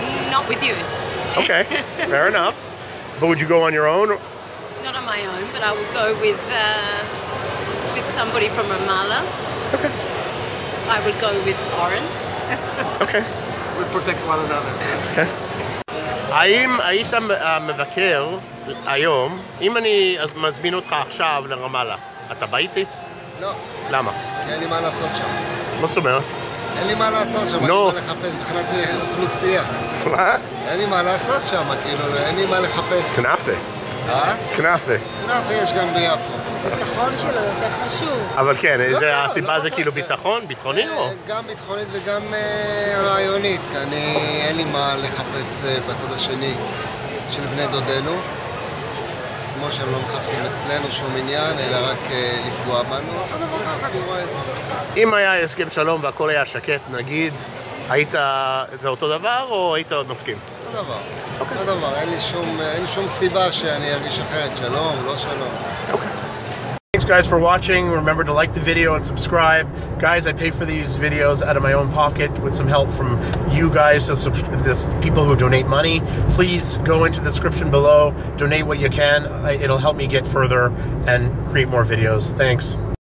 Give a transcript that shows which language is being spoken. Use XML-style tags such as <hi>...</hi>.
<en>Not with you. Okay. Fair enough. But would you go on your own? Not on my own, but I would go with somebody from Ramallah. Okay. I would go with Oren. Okay. We'll protect one another. Okay.</en> <he>האם היית מבקר היום, אם אני מזמין אותך עכשיו לרמאללה, אתה בא איתי? לא. למה? כי אין לי מה לעשות שם. מה זאת אומרת? אין לי מה לעשות שם, אני בא לחפש מבחינת אוכלוסייה. מה? אין לי מה לעשות שם, כאילו, אין לי מה לחפש. כנאפה. כנאפה. כנאפה יש גם ביפו. ביטחון שלו יותר חשוב. אבל כן, הסיבה זה כאילו ביטחון? ביטחונית או? גם ביטחונית וגם רעיונית, כי אני אין לי מה לחפש בצד השני של בני דודנו. כמו שהם לא מחפשים אצלנו שום עניין, אלא רק לפגוע בנו. אחד דבר אחד, הוא רואה את זה. אם היה הסכם שלום והכל היה שקט, נגיד, היית זה אותו דבר או היית עוד מסכים? אותו דבר. אותו דבר, אין שום סיבה שאני ארגיש אחרת, שלום, לא שלום.</he> <en>Thanks guys for watching. Remember to like the video and subscribe. Guys, I pay for these videos out of my own pocket with some help from you guys, the people who donate money. Please go into the description below, donate what you can. It'll help me get further and create more videos. Thanks.</en>